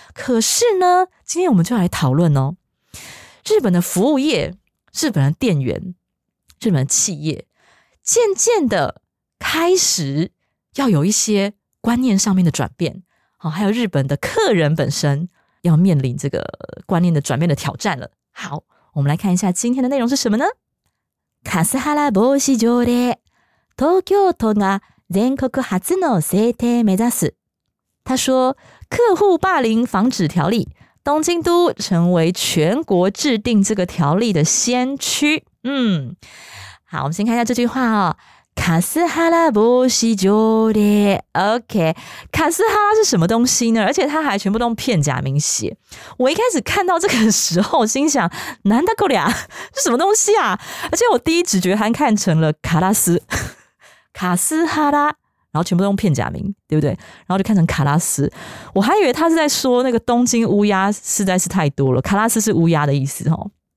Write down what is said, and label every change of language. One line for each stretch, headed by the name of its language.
Chinese: 可是呢，今天我们就来讨论哦，日本的服务业、日本的店员、日本的企业，渐渐的开始要有一些观念上面的转变，还有日本的客人本身要面临这个观念的转变的挑战了。好，我们来看一下今天的内容是什么呢？
Japanese: カスハラ防止条例、東京都が全国初の制定目指す。
Chinese: 他说，客户霸凌防止条例，东京都成为全国制定这个条例的先驱。好，我们先看一下这句话哦。
Japanese: カスハラ防止条例。
Chinese: OK， カスハラ是什么东西呢？而且他还全部都用片假名写。我一开始看到这个时候，心想：难得过俩是什么东西啊？而且我第一直觉还看成了卡拉斯，卡斯哈拉，然后全部都用片假名，对不对？然后就看成卡拉斯，我还以为他是在说那个东京乌鸦实在是太多了，卡拉斯是乌鸦的意思哦。